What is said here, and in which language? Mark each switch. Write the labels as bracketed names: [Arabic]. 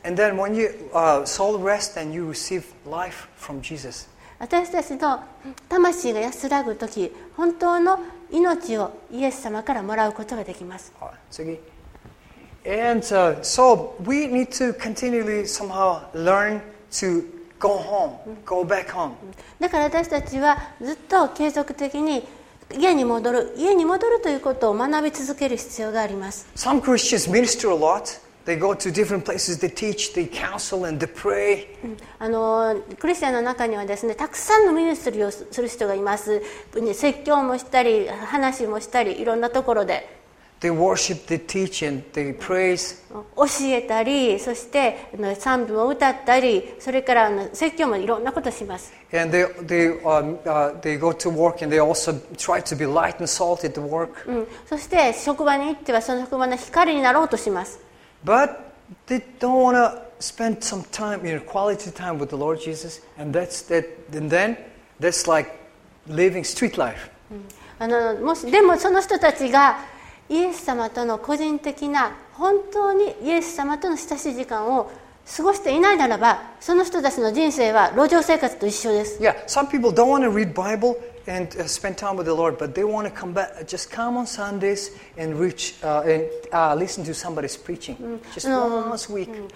[English] And then when you, soul rests and you receive life from Jesus. [Japanese] 私たちの魂が安らぐとき、本当の命をイエス様からもらうことができます。次。 [English] And, so we need to continually somehow learn to go home, go back home. [Japanese] だから私たちはずっと継続的に家に戻る、家に戻るということを学び続ける必要があります。 [English] Some Christians minister a lot. They go to different places. They teach, they counsel, and they pray. [Japanese] クリスチャンの中にはですね、たくさんのミニストリーをする人がいます。説教もしたり、話もしたり、いろんなところで。 [English] They worship, they teach, and they praise. [Japanese] 教えたり、そして賛美を歌ったり、それから説教もいろんなことします。 [English] And they go to work and they also try to be light and salt at the work. [Japanese] そして職場に行ってはその職場の光になろうとします。 [English] But they don't want to spend some time, you know, quality time with the Lord Jesus, and that's that. And then that's like living street life. [Japanese] もしでもその人たちがイエス様との個人的な本当にイエス様との親しい時間を過ごしていないならば、その人たちの人生は路上生活と一緒です。 [English] Yeah, some people don't want to read Bible and spend time with the Lord, but they want to come back, just come on Sundays and reach, listen to somebody's preaching, just once a week.